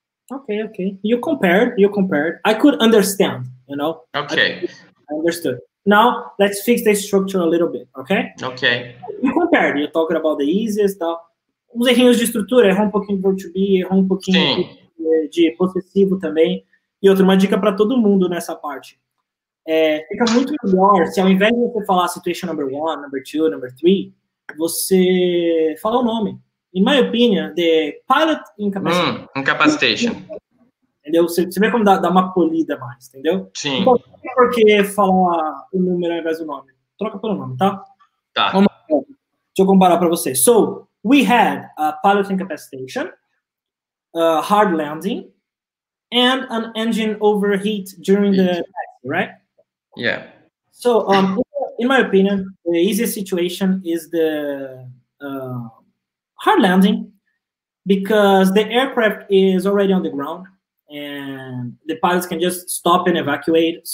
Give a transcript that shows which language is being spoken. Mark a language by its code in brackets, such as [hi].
[en] Okay. You compared. I could understand, you know. Okay. I understood. Now, let's fix the structure a little bit, okay? Okay. You compared, you're talking about the easiest, [pt] tal. Os errinhos de estrutura, errou um pouquinho de verb to be, errou um pouquinho de possessivo também. E outra, uma dica para todo mundo nessa parte. É, fica muito melhor se ao invés de você falar [en] situation number one, number two, number three, [pt] você fala o nome. [en] In my opinion, the pilot incapacitation. Incapacitation. [pt] Entendeu? Você vê como dá uma polida mais, entendeu? Sim. Então, por que falar o número ao invés do nome? Troca pelo nome, tá? Tá. Deixa eu comparar para vocês. [en] So, we had a pilot incapacitation, a hard landing, and an engine overheat during the taxi, right? Yeah. So, in my opinion, the easiest situation is the hard landing, because the aircraft is already on the ground, and the pilots can just stop and evacuate.